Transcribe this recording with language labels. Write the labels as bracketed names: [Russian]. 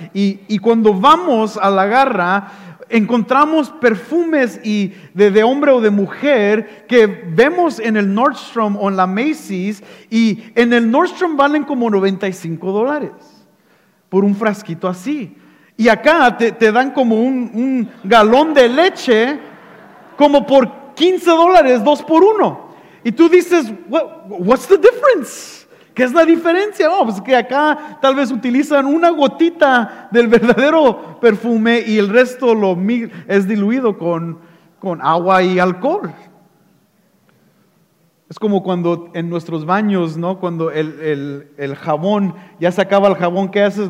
[Spanish] Y cuando vamos a la garra, encontramos perfumes y de hombre o de mujer que vemos en el Nordstrom o en la Macy's, y en el Nordstrom valen como $95 por un frasquito así. Y acá te dan como un galón de leche como por $15, dos por uno. Y tú dices, [English] what's the difference? [Spanish] ¿Qué es la diferencia? Oh, pues que acá tal vez utilizan una gotita del verdadero perfume y el resto es diluido con agua y alcohol. Es como cuando en nuestros baños, ¿no? Cuando el jabón, ya se acaba el jabón, ¿qué haces?